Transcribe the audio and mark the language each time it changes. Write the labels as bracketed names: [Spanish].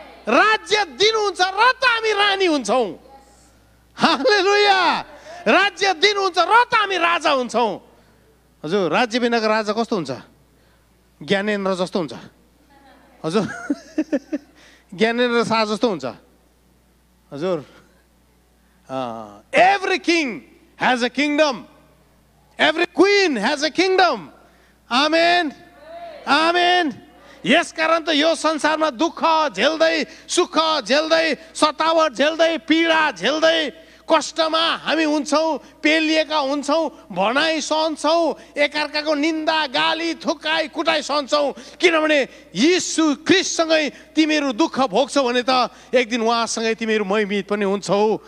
[Nepali] राज्य दिनुहुन्छ र त हामी रानी हुन्छौँ। हालेलुया। राज्य दिनुहुन्छ र त हामी राजा हुन्छौँ। हजुर, राज्य बिनाको राजा कस्तो हुन्छ? ज्ञानेन्द्र जस्तो हुन्छ हजुर। ज्ञानेन्द्र शाह जस्तो हुन्छ हजुर। [English] Every king has a kingdom, every queen has a kingdom. [Nepali] आमेन आमेन। यस कारण त यो संसारमा दुःख झेल्दै, सुख झेल्दै, सतावट झेल्दै, पीडा झेल्दै, कष्टमा हामी हुन्छौँ, पेलिएका हुन्छौँ, भनाई सहन्छौँ, एकअर्काको निन्दा गाली थुकाई कुटाई सहन्छौँ, किनभने यीशु ख्रीष्टसँगै तिमीहरू दुःख भोग्छौ भने त एक दिन उहाँसँगै तिमीहरू महिमित पनि हुन्छौ।